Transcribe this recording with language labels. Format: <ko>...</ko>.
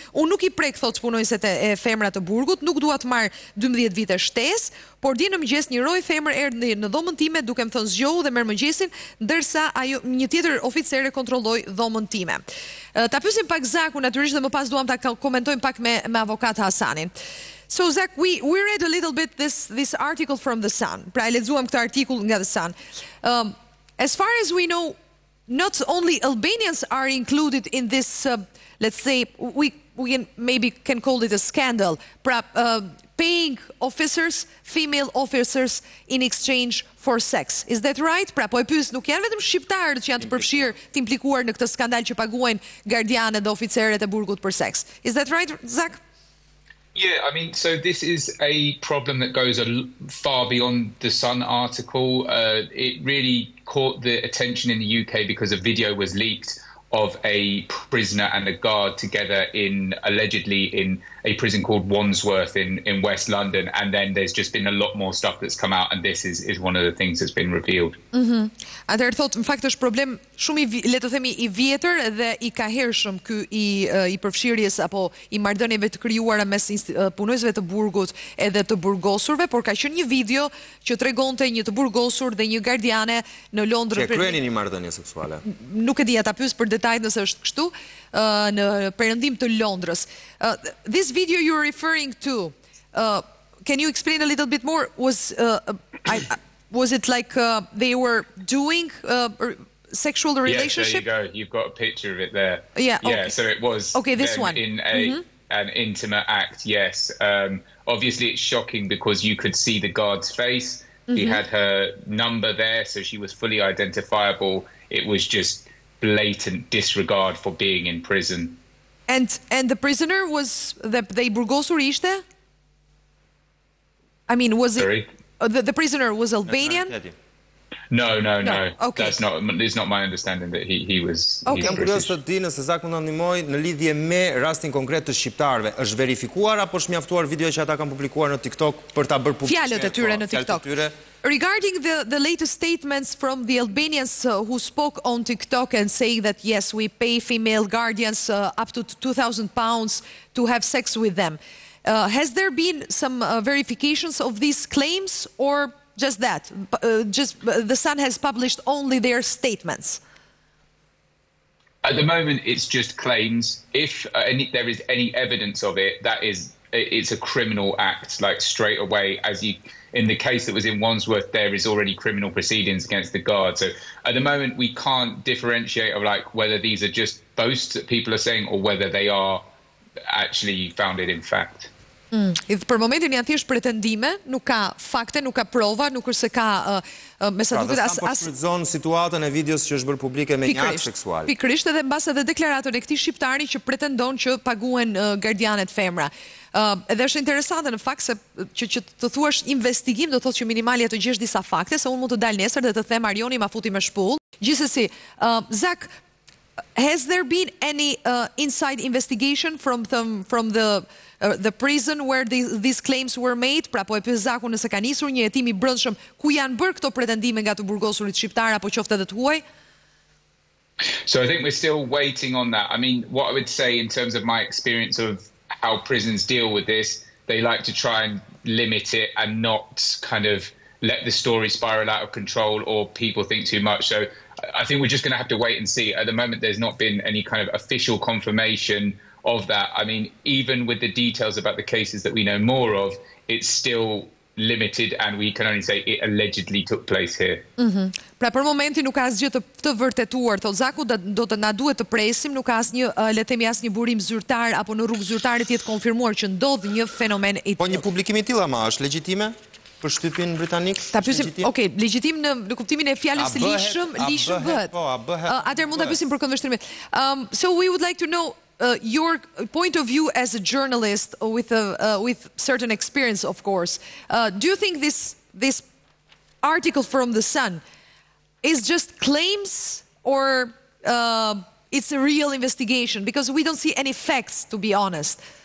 <sq>Unë nuk i prek, thotë punonjësit e femra të burgut, nuk dua të marr 12 vite shtesë, por di në mëngjes një roj femër erdhi në dhomën time duke më thënë zgjohu dhe merr mëngjesin, ndërsa ajo një tjetër oficer e kontrolloi dhomën time. Ta pyesim pak Zakun, natyrisht dhe më pas duam ta komentojmë pak me avokat Hasanin.</sq> <en>So Zak, we read a little bit this article from The Sun.</en> <sq>Pra e lexuam këtë artikull nga The Sun.</sq> <en>As far as we know, not only Albanians are included in this let's say we can maybe can call it a scandal, perhaps paying officers, female officers, in exchange for sex. Is that right?</en> <sq>Pra po e pyes, nuk janë vetëm shqiptarët që janë të përfshirë, të implikuar në këtë skandal që paguajnë gardianët dhe oficerët e burgut për seks.</sq> <en>Is that right, Zak? Yeah, I mean, so this is a problem that goes far beyond the Sun article. It really caught the attention in the UK because a video was leaked of a prisoner and a guard together in allegedly in a prison called Wandsworth in West London, and then there's just been a lot more stuff that's come out, and this is one of the things that's been revealed. Mhm.</en> <sq>Atëherë thot, në fakt është problem shumë i, le të themi, i vjetër dhe i kahershëm ky i përfshirjes apo i marrëdhënieve të krijuara mes punojësve të burgut edhe të burgosurve, por ka qenë një video që tregonte një të burgosur dhe një gardiane në Londër për kryenin një marrëdhënie seksuale. Nuk e di, ata pyes për detajet nëse është kështu, në perëndim të Londrës.</sq> <en>This video you're referring to, can you explain a little bit more? Was it like they were doing sexual relationship? Yeah, there you go. You've got a picture of it there. Yeah. Yeah. Okay. So it was okay. This one in a an intimate act. Yes. Obviously, it's shocking because you could see the guard's face. Mm-hmm. He had her number there, so she was fully identifiable. It was just blatant disregard for being in prison. And the prisoner was the</en> <sq>burgosur ishte?</sq> <en>I mean, was Sorry? It the prisoner was Albanian? No. Okay. That's not my understanding that he was. Okay.</en> <sq>Jam kurioz të di nëse Zak mund të ndihmoj në lidhje me rastin konkret të shqiptarëve. Është verifikuar apo është mjaftuar videoja që ata kanë publikuar në TikTok për ta bërë publike? Fjalët e tyre në TikTok.</sq> <en>Regarding the latest statements from the Albanians who spoke on TikTok and saying that yes, we pay female guardians up to 2000 pounds to have sex with them. Has there been some verifications of these claims or just that? The Sun has published only their statements. At the moment, it's just claims. If there is any evidence of it, that is, it's a criminal act, like straight away. As you, in the case that was in Wandsworth, there is already criminal proceedings against the guard. So at the moment, we can't differentiate of like whether these are just boasts that people are saying or whether they are actually founded in fact.</en> <sq>Për momentin janë thjesht pretendime, nuk ka fakte, nuk ka prova, nuk është se ka mesazhet as as shfrytëzon situatën e videos që është bërë publike me një akt seksual. Pikërisht, edhe mbas edhe deklaratën e këtij shqiptari që pretendon që paguhen gardianet femra. Edhe është interesante në fakt se që të thuash investigim do thotë që minimali ato gjesh disa fakte, se unë mund të dal nesër dhe të them Arjoni ma futi me shpull. Gjithsesi,</sq> <en>Zak, has there been any inside investigation from the prison where these claims were made?</en> <sq>Pra po e pyet Zaku nëse ka nisur një hetim i brendshëm ku janë bërë këto pretendime nga të burgosurit shqiptar apo qoftë edhe të huaj.</sq> <en>So I think we're still waiting on that. I mean, what I would say in terms of my experience of how prisons deal with this, they like to try and limit it and not kind of let the story spiral out of control or people think too much. So I think we're just going to have to wait and see. At the moment, there's not been any kind of official confirmation of that. I mean, even with the details about the cases that we know more of, it's still limited and we can only say it allegedly took place here. Mm-hmm.</en> <sq>Pra për momentin nuk ka asgjë të vërtetuar, thot Zaku, do të na duhet të presim, nuk ka asnjë, le të themi asnjë burim zyrtar apo në rrugë zyrtare të jetë konfirmuar që ndodh një fenomen i tillë. Po një publikim i tillë ama është legjitime? Për shtypin britanik? Ta pyesim, okay, legjitim në kuptimin e fjalës lishëm, lishëm bëhet. Po, a bëhet. Atëherë mund ta pyesim për këndvështrimin.</sq> <en>So we would like to know your point of view as a journalist with with certain experience, of course. Do you think this article from The Sun is just claims or it's a real investigation, because we don't see any facts, to be honest?</en>